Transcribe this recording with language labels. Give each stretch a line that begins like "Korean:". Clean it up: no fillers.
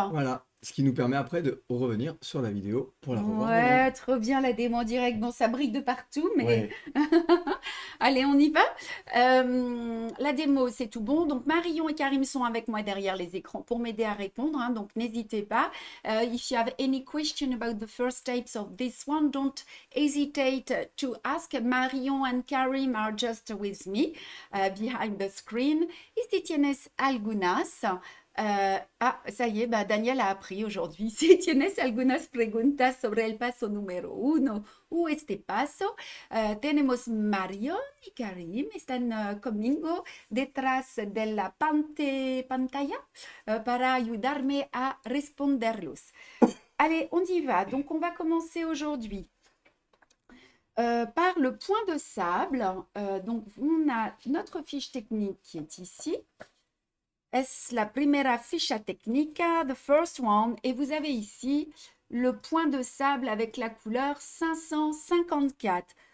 French: Voilà, ce qui nous permet après de revenir sur la vidéo pour la revoir. Ouais, maintenant. Trop bien la démo en direct. Bon, ça brille de partout, mais... Ouais. Allez, on y va. La démo, c'est tout bon. Donc, Marion et Karim sont avec moi derrière les écrans pour m'aider à répondre. Hein, donc, n'hésitez pas.
English: If you have any question about the first steps of this one, don't hesitate to ask. Marion and Karim are just with me behind the screen.
Spanish: Y si tienes algunas...
French: ah, ça y est, bah, Daniel a appris aujourd'hui.
Spanish: Si tienes algunas preguntas sobre el paso número uno ou este paso, tenemos Marion y Karim, están conmigo detrás de la pantalla para ayudarme a responderlos.
French: Allez, on y va. Donc, on va commencer aujourd'hui par le point de sable. Donc, on a notre fiche technique qui est ici.
Spanish: Es la primera ficha técnica,
English: the first one.
French: Et vous avez ici le point de sable avec la couleur 554.